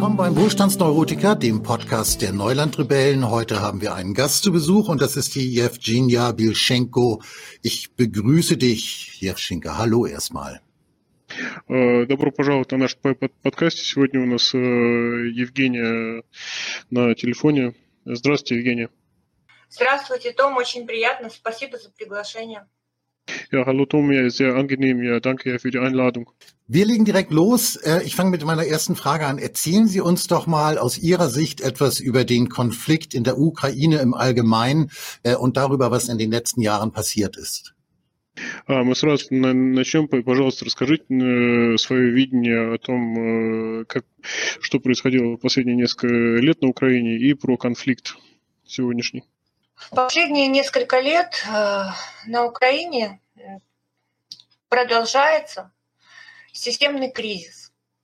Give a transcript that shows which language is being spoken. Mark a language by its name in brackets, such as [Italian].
[German] Wohlstandsneurotiker, dem Podcast der Neulandrebellen. Heute haben wir einen Gast zu Besuch und das ist die Jewgenia Bilschenko. Ich begrüße dich, Jewgenia. Hallo erstmal. [Russian] Добро пожаловать на наш подкаст. Сегодня у нас Евгения на телефоне. Здравствуйте, Евгения. Здравствуйте, Том. Очень приятно. Спасибо за приглашение. [German] Ja, hallo Tom, ja, sehr angenehm. Ja, danke für die Einladung. Wir legen direkt los. Ich fange mit meiner ersten Frage an. Erzählen Sie uns doch mal aus Ihrer Sicht etwas über den Konflikt in der Ukraine im Allgemeinen und darüber, was in den letzten Jahren passiert ist. [Russian] Мы сразу начнем. Пожалуйста, расскажите свое видение о том, как, что происходило последние несколько лет на Украине и про конфликт сегодняшний. В последние несколько лет на Украине продолжается системный кризис.